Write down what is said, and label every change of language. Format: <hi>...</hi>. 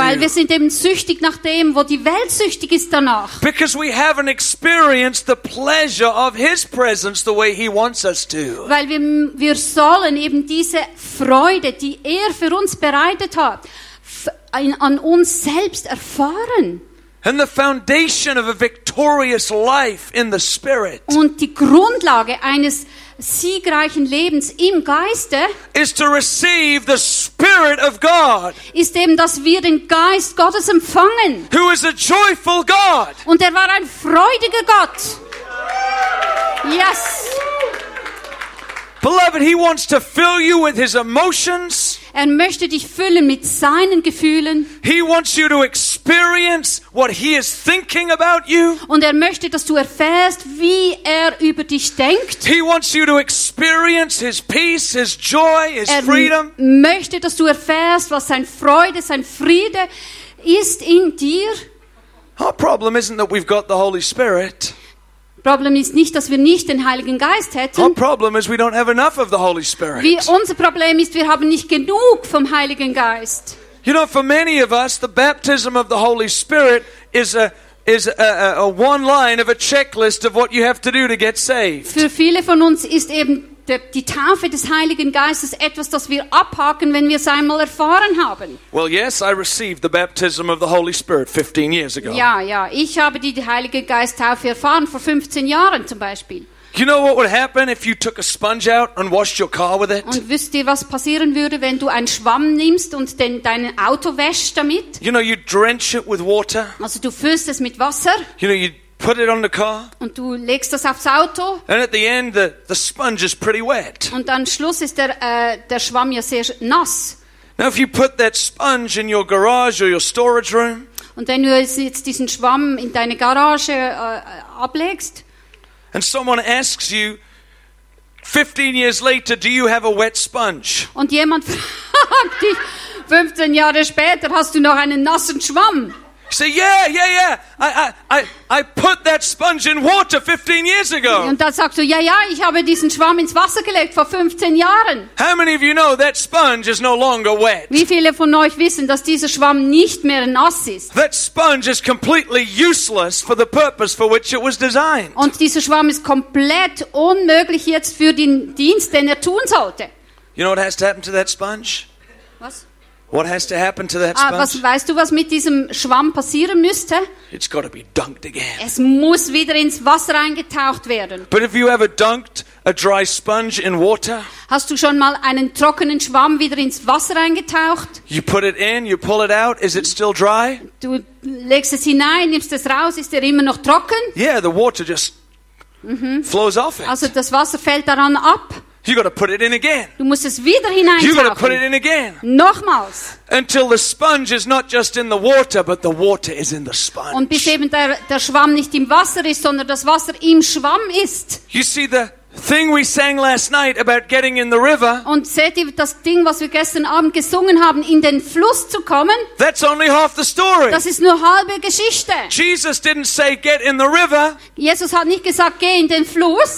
<de>Weil wir sind eben süchtig nach dem, wo die Welt süchtig ist danach.</de> <en>Because we haven't experienced the pleasure of His presence the way He wants us to.</en> <de>Weil wir sollen eben diese Freude, die er für uns bereitet hat, an uns selbst erfahren.</de> <en>And the foundation of a victorious life in the Spirit.</en> <de>Und die Grundlage eines siegreichen Lebens im Geiste</de> <en>is to receive the Spirit of God,</en> <de>ist eben, dass wir den Geist Gottes empfangen.</de> <en>Who is a joyful God.</en> <de>Und er war ein freudiger Gott.</de> <en>Yes. Beloved, he wants to fill you with his emotions.</en> <de>Er möchte dich füllen mit seinen Gefühlen.</de> <en>He wants you to experience what he is thinking about you.</en> <de>Und er möchte, dass du erfährst, wie er über dich denkt.</de> <en>He wants you to experience his peace, his joy, his freedom.</en> <de>Er möchte, dass du erfährst, was sein Freude, sein Friede ist in dir.</de> <en>Our problem isn't that we've got the Holy Spirit.</en> <de>Problem ist nicht, dass wir nicht den Heiligen Geist hätten.</de> <en>Our problem is we don't have enough of the Holy Spirit.</en> <de>Unser Problem ist, wir haben nicht genug vom Heiligen Geist.</de> <en>You know, for many of us, the baptism of the Holy Spirit is a one line of a checklist of what you have to do to get saved.</en> <de>Für viele von uns ist eben die Taufe des Heiligen Geistes etwas, das wir abhaken, wenn wir es einmal erfahren haben.</de> <en>Well, yes, I received the baptism of the Holy Spirit 15 years ago.</en> <de>Ja, ich habe die Heilige Geisttaufe erfahren vor 15 Jahren zum Beispiel.</de> <en>You know what would happen if you took a sponge out and washed your car with it?</en> <de>Und wisst ihr, was passieren würde, wenn du einen Schwamm nimmst und dein Auto wäschst damit?</de> <en>You know, you drench it with water.</en> <de>Also du füllst es mit Wasser.</de> <en>You know, you put it on the car.</en> <de>Und du legst das aufs Auto.</de> <en>And at the end, the sponge is pretty wet.</en> <de>Und am Schluss ist der Schwamm ja sehr nass.</de> <en>Now, if you put that sponge in your garage or your storage room.</en> <de>Und wenn du jetzt diesen Schwamm in deine Garage ablegst,</de> <en>and someone asks you, 15 years later, do you have a wet sponge?</en> <de>Und jemand fragt dich, 15 Jahre später, hast du noch einen nassen Schwamm?</de> <en>Say, yeah. I put that sponge in water 15 years ago.</en> <de>Und dann sagst du, ja, ich habe diesen Schwamm ins Wasser gelegt vor 15 Jahren.</de> <en>How many of you know that sponge is no longer wet?</en> <de>Wie viele von euch wissen, dass dieser Schwamm nicht mehr nass ist?</de> <en>That sponge is completely useless for the purpose for which it was designed.</en> <de>Und dieser Schwamm ist komplett unmöglich jetzt für den Dienst, den er tun sollte.</de> <en>You know what has to happen to that sponge?</en> <de>Was?</de> <en>What has to happen to that sponge?</en> <de>Was weißt du, was mit diesem Schwamm passieren müsste?</de> <en>It's got to be dunked again.</en> <de>Es muss wieder ins Wasser eingetaucht werden.</de> <en>But have you ever dunked a dry sponge in water?</en> <de>Hast du schon mal einen trockenen Schwamm wieder ins Wasser eingetaucht?</de> <en>You put it in, you pull it out, is it still dry?</en> <de>Du legst es hinein, nimmst es raus, ist er immer noch trocken?</de> <en>Yeah, the water just flows off it.</en> <de>Also das Wasser fällt daran ab.</de> <en>You got to put it in again.</en> <de>Du musst es wieder hineintauchen.</de> <en>You got to put it in again.</en> <de>Nochmals.</de> <en>Until the sponge is not just in the water, but the water is in the sponge.</en> <de>Und bis eben der Schwamm nicht im Wasser ist, sondern das Wasser im Schwamm ist.</de> <en>You see the thing we sang last night about getting in the river.</en> <de>Und seht ihr das Ding, was wir gestern Abend gesungen haben, in den Fluss zu kommen?</de> <en>That's only half the story.</en> <de>Das ist nur halbe Geschichte.</de> <en>Jesus didn't say get in the river.</en> <de>Jesus hat nicht gesagt, geh in den Fluss.</de>